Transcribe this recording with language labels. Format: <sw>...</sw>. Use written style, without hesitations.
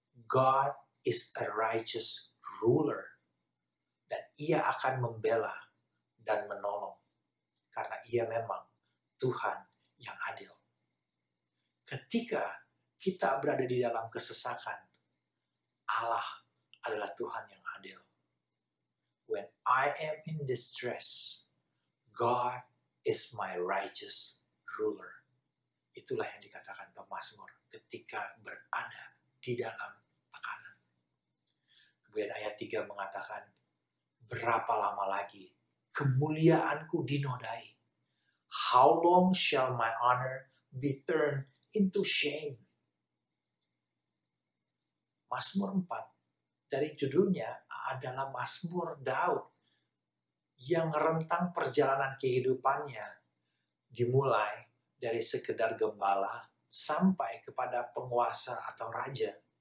<id>God is a righteous ruler. Dan ia akan membela dan menolong. Karena ia memang Tuhan yang adil. Ketika kita berada di dalam kesesakan, Allah adalah Tuhan yang adil.</id> <en>When I am in distress, God is my righteous ruler.</en> <id>Itulah yang dikatakan pemazmur ketika berada di dalam tekanan. Kemudian ayat 3 mengatakan, berapa lama lagi kemuliaanku dinodai?</id> <en>How long shall my honor be turned into shame?</en> <id>Mazmur 4. Dari judulnya adalah Mazmur Daud yang rentang perjalanan kehidupannya dimulai dari sekedar gembala sampai kepada penguasa atau raja.</id>